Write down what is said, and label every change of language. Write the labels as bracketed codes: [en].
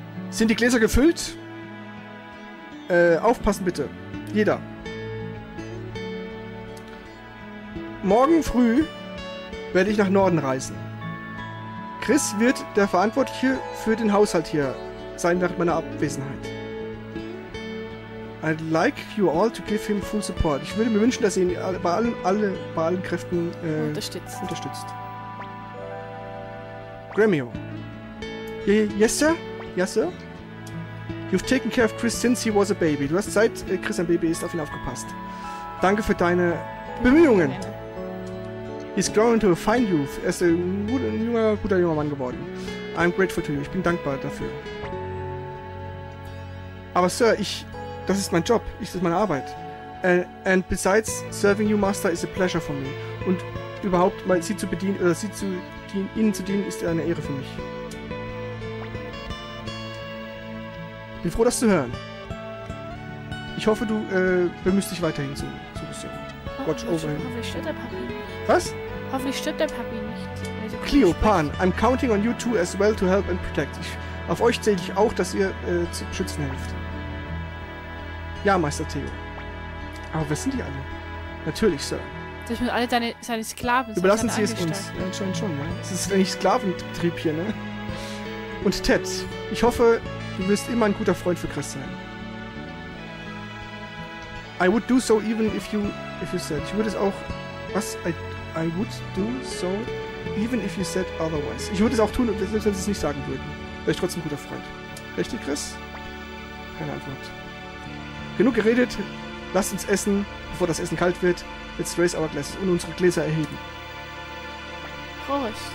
[de] Sind die Gläser gefüllt? Aufpassen bitte. Jeder. Morgen früh werde ich nach Norden reisen. Chris wird der Verantwortliche für den Haushalt hier sein während meiner Abwesenheit. [en] I'd like you all to give him full support. [de] Ich würde mir wünschen, dass ihr ihn bei allen Kräften unterstützt. [en] Grammio. Yes, sir? You've taken care of Chris since he was a baby. [de] Du hast seit Chris ein Baby ist auf ihn aufgepasst. Danke für deine Bemühungen. [en] He's grown into a fine youth. [de] Er ist ein guter junger Mann geworden. [en] I'm grateful to you. [de] Ich bin dankbar dafür. Aber Sir, das ist mein Job. Das ist meine Arbeit. [en] And besides, serving you, Master, is a pleasure for me. [de] Und überhaupt mal sie zu bedienen oder ihnen zu dienen, ist eine Ehre für mich. Bin froh, das zu hören. Ich hoffe, du bemühst dich weiterhin so ein bisschen. [en] Watch over him. [de] Was? Hoffentlich stirbt der Papi nicht. [en] Also Cleo, Pan, I'm counting on you two as well to help and protect. [de] Auf euch zähle ich auch, dass ihr zu schützen helft. Ja, Meister Theo. Aber wer sind die alle? Natürlich, Sir. Das sind alle seine Sklaven. Überlassen sie es uns. Ja, schon, ja. Das ist eigentlich Sklaventrieb hier, ne? Und Ted, ich hoffe, du wirst immer ein guter Freund für Chris sein. [en] I would do so even if you said. [de] Ich würde es auch... Was? [en] I would do so, even if you said otherwise. [de] Ich würde es auch tun, selbst wenn sie es nicht sagen würden. Wäre ich trotzdem ein guter Freund. Richtig, Chris? Keine Antwort. Genug geredet. Lasst uns essen, bevor das Essen kalt wird. [en] Let's raise our glasses [de] und unsere Gläser erheben. Prost.